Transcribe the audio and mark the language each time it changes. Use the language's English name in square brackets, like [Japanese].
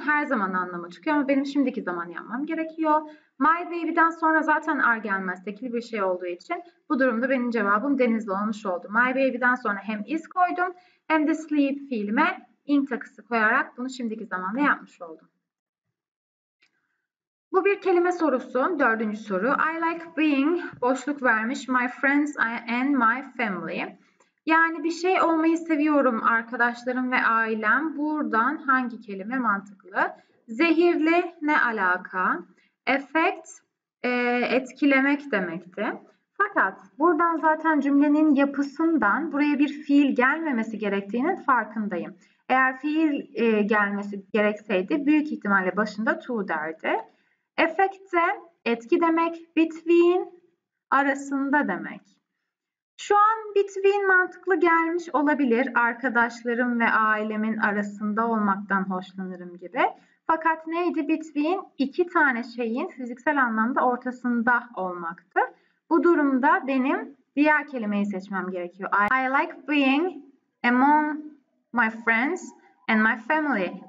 [Turkish] Her zaman anlamı çıkıyor ama benim şimdiki zaman yapmam gerekiyor. [English] My baby'den [Turkish] sonra zaten are gelmez, tekli bir şey olduğu için bu durumda benim cevabım Deniz'le olmuş oldu. [English] My baby'den [Turkish] sonra hem is koydum hem de sleep fiilime ing takısı koyarak bunu şimdiki zamanda yapmış oldum. Bu bir kelime sorusu. Dördüncü soru. [English] I like being [Turkish] boşluk vermiş [English] my friends and my family. [Turkish] Yani bir şey olmayı seviyorum arkadaşlarım ve ailem. Buradan hangi kelime mantıklı? Zehirli ne alaka? Effect etkilemek demekti. Fakat buradan zaten cümlenin yapısından buraya bir fiil gelmemesi gerektiğinin farkındayım. Eğer fiil gelmesi gerekseydi büyük ihtimalle başında to derdi. Effect de etki demek, between arasında demek. Şu an between mantıklı gelmiş olabilir. Arkadaşlarım ve ailemin arasında olmaktan hoşlanırım gibi. Fakat neydi between? İki tane şeyin fiziksel anlamda ortasında olmaktı. Bu durumda benim diğer kelimeyi seçmem gerekiyor. [English] I like being among my friends and my family.